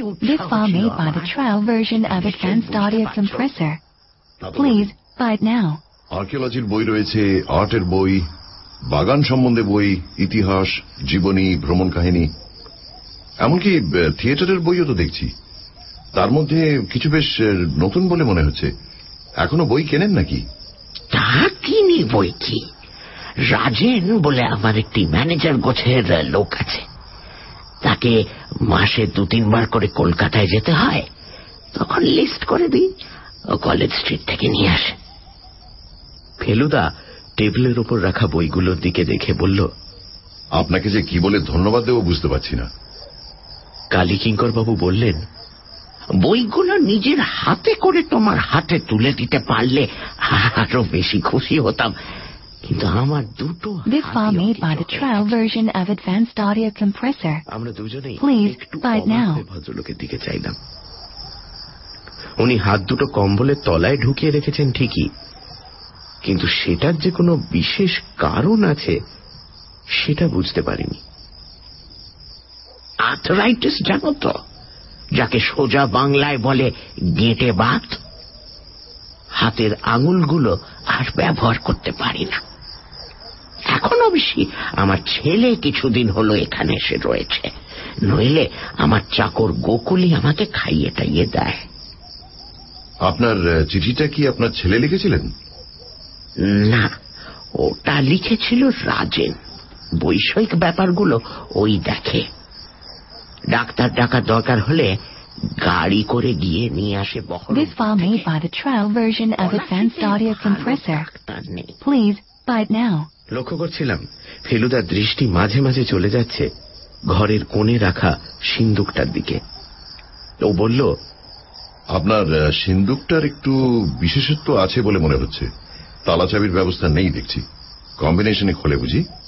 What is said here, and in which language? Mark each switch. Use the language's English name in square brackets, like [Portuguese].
[English] This file made by the trial version of Advanced Audio Compressor. Please buy it now. [Bangla] Archaeology-র বই রয়েছে, আর্টের বই, বাগান সম্বন্ধে বই, ইতিহাস, জীবনী, ভ্রমণ কাহিনী, এমনকি থিয়েটারের বইও তো দেখছি। তার মধ্যে কিছু বেশ নতুন বলে মনে হচ্ছে। এখনো বই কেনেন নাকি? তা কিনি বই কি, রাজেন বলে আমার একটি ম্যানেজার গোছের লোক আছে, তাকে মাসে দু তিনবার করে কলকাতায় যেতে হয়, তখন লিস্ট করে দিই, কলেজ স্ট্রিট থেকে নিয়ে আসে। ফেলুদা টেবিলের উপর রাখা বইগুলোর দিকে দেখে বলল, আপনাকে যে কি বলে ধন্যবাদ দেবো বুঝতে পারছি না। কালীকিঙ্করবাবু বললেন, বইগুলো নিজের হাতে করে তোমার হাতে তুলে দিতে পারলে আরো বেশি খুশি হতাম, কিন্তু আমার দুটো [English] This file made by the trial version of Advanced Audio Compressor. [Bangla] আমরা দুজনেই [English] Please buy it now. [Bangla] ভদ্রলোকের দিকে চাইলাম। উনি হাত দুটো কম্বলের তলায় ঢুকিয়ে রেখেছেন ঠিকই, কিন্তু সেটার যে কোনো বিশেষ কারণ আছে সেটা বুঝতে পারিনি। আর্থ্রাইটিস জানো তো, যাকে সোজা বাংলায় বলে গেঁটে বাত, হাতের আঙুলগুলো আর ব্যবহার করতে পারি না। এখন অবশ্যই আমার ছেলে কিছুদিন হলো এখানে এসে রয়েছে, নইলে আমার চাকর গোকুলই আমাকে খাইয়ে টাইয়ে দেয়। আপনার চিঠিটা কি আপনার ছেলে লিখেছিলেন? না, ওটা লিখেছিল রাজেন, বৈষয়িক ব্যাপারগুলো ওই দেখে, ডাক্তার ডাকার দরকার হলে গাড়ি করে গিয়ে নিয়ে আসে Baharampur. [English] This file made by the trial version of Advanced Audio Compressor. Please buy it now. [Bangla] লক্ষ্য করছিলাম ফেলুদার দৃষ্টি মাঝে মাঝে চলে যাচ্ছে ঘরের কোণে রাখা সিন্দুকটার দিকে। ও বলল, আপনার সিন্দুকটার একটু বিশেষত্ব আছে বলে মনে হচ্ছে, তালা চাবির ব্যবস্থা নেই দেখছি, কম্বিনেশনে খোলে বুঝি?